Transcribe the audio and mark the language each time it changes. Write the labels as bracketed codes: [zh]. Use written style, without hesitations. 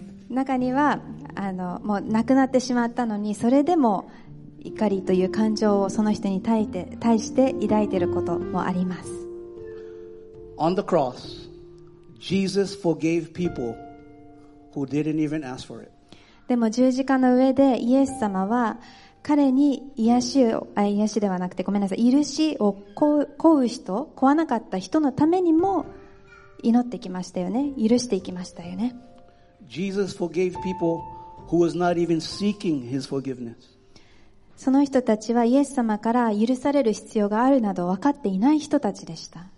[ja] 中には、あの、もう亡くなってしまったのに、それでも怒りという感情をその人に対して抱いていることもあります。 [en] On the cross, Jesus forgave people who didn't even ask for it。 [ja] でも十字架の上でイエス様は彼に許しを請う人、請わなかった人のためにも祈ってきましたよね、許していきましたよね。 [en] Jesus forgave people who was not even seeking his forgiveness。 [ja] その人たちはイエス様から許される必要があるなど分かっていない人たちでした。